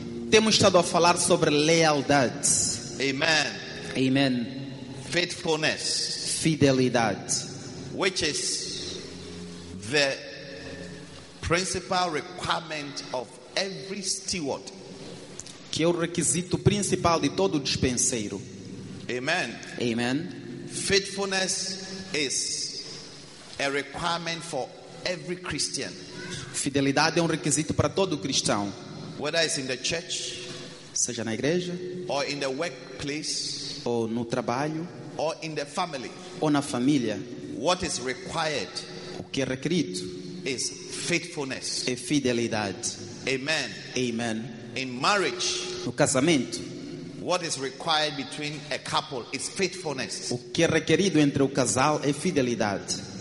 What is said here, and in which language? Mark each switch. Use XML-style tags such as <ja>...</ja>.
<pt>Temos estado a falar sobre lealdade. Amen. Amen.</pt> <en>Faithfulness.</en> <pt>Fidelidade,</pt> <en>which is the principal requirement of every steward,</en> <pt>que é o requisito principal de todo dispenseiro. Amen. Amen.</pt> <en>Faithfulness is a requirement for every Christian.</en> <pt>Fidelidade é requisito para todo cristão.</pt> <en>Whether it's in the church,</en> <pt>seja na igreja,</pt> <en>or in the workplace,</en> <pt>ou no trabalho,</pt> <en>or in the family,</en> <pt>ou na família,</pt> <en>what is required,</en> <pt>o que é requerido,</pt> <en>is faithfulness,</en> <pt>é fidelidade. Amen. Amen.</pt> <en>In marriage,</en> <pt>no casamento,</pt> <en>what is required between a couple is faithfulness,</en> <pt>o que é requerido entre o casal é fidelidade.</pt>